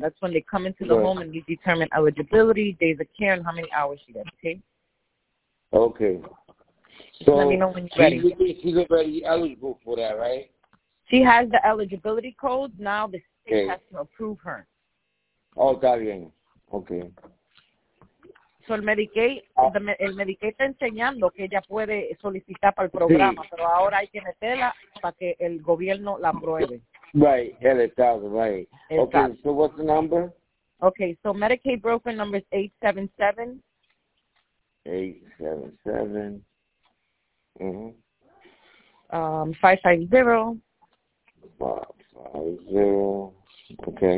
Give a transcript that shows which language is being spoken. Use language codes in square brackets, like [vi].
[en] That's when they come into the home and they determine eligibility, days of care, and how many hours she gets, okay? Okay. So let me know when you're ready. She's already eligible for that, right? She has the eligibility code. Now the has to approve her. [es] Oh, está bien. Okay. So el Medicaid está enseñando que ella puede solicitar para el programa, sí. Pero ahora hay que meterla para que el gobierno la apruebe. Right, el estado, right. Exacto. [en] Okay, so what's the number? Okay, so Medicaid broker number is 877. 877. Mm-hmm. 550. 550. Okay.